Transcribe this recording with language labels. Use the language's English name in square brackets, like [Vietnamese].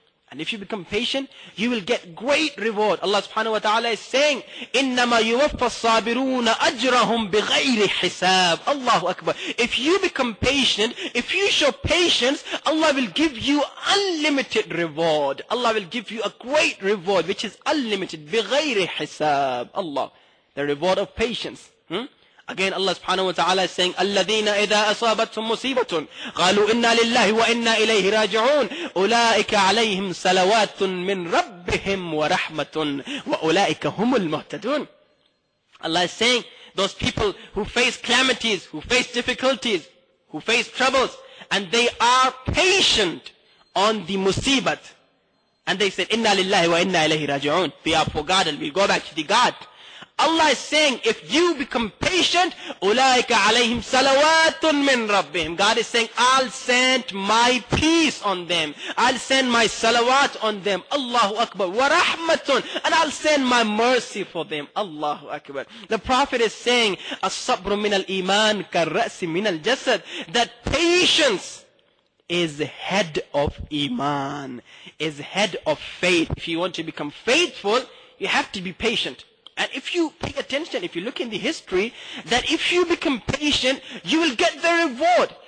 [English] And if you become patient, you will get great reward. Allah subhanahu wa ta'ala is saying, [Arabic] إِنَّمَا يُوَفَّ الصَّابِرُونَ أَجْرَهُمْ بِغَيْرِ حِسَابٍ. [English] Allahu Akbar. If you become patient, if you show patience, Allah will give you unlimited reward. Allah will give you a great reward, which is unlimited. [Arabic] بِغَيْرِ حِسَابٍ. [English] Allah. The reward of patience. [Arabic] Again, Allah subhanahu wa ta'ala is saying, الَّذِينَ إِذَا أَصَابَتْهُمْ مُصِيبَةٌ قَالُوا إِنَّا لِلَّهِ وَإِنَّا إِلَيْهِ رَاجِعُونَ أُولَٰئِكَ عَلَيْهِمْ صَلَوَاتٌ مِّن رَبِّهِمْ وَرَحْمَةٌ وَأُولَٰئِكَ هُمُ الْمُهْتَدُونَ. [English] Allah is saying, those people who face calamities, who face difficulties, who face troubles, and they are patient on the musibat, and they said, [Arabic] إِنَّا لِلَّهِ وَإِنَّا إِلَيْهِ رَاجِعُونَ. [English] We are for God and we go back to the God. Allah is saying, if you become patient, [Arabic] أُولَٰئِكَ عَلَيْهِمْ سَلَوَاتٌ مِّن رَبِّهِمْ. [English] God is saying, I'll send my peace on them. I'll send my salawat on them. [Arabic] Allahu Akbar. وَرَحْمَةٌ. [English] And I'll send my mercy for them. [Arabic] Allahu Akbar. [English] The Prophet is saying, [Arabic] الصَّبْرُ مِنَ الْإِيمَانِ كَالرَّأْسِ مِنَ الْجَسَدِ. [English] That patience is head of iman, is head of faith. If you want to become faithful, you have to be patient. And if you pay attention, if you look in the history, that if you become patient, you will get the reward.